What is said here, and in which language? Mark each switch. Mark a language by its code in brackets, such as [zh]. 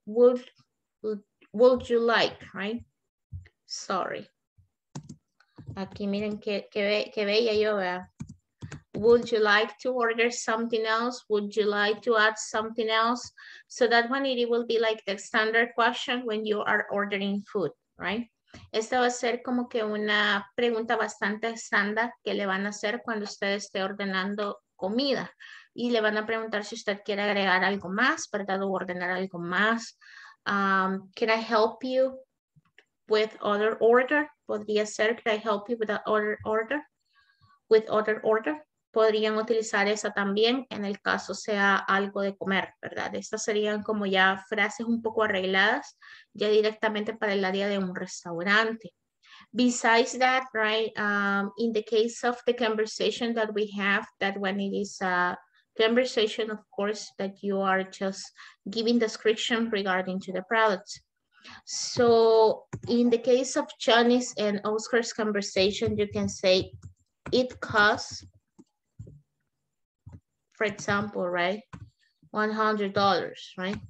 [en] Would you like, right? Sorry. [es] Aquí miren que bella yo vea. [en] Would you like to order something else? Would you like to add something else? So that one, it will be like the standard question when you are ordering food, right? [es] Esta va a ser como que una pregunta bastante estándar que le van a hacer cuando usted esté ordenando comida y le van a preguntar si usted quiere agregar algo más, ¿verdad? O ordenar algo más. [en] Can I help you with other order? [es] Podría ser, [en] can I help you with other order? With other order. [es] Podrían utilizar esa también en el caso sea algo de comer, ¿verdad? Estas serían como ya frases un poco arregladas, ya directamente para el área de un restaurante. [en] Besides that, right, in the case of the conversation that we have, that when it is a conversation, of course, that you are just giving description regarding to the products. So in the case of Johnny's and Oscar's conversation, you can say it costs, for example, right, $100, right?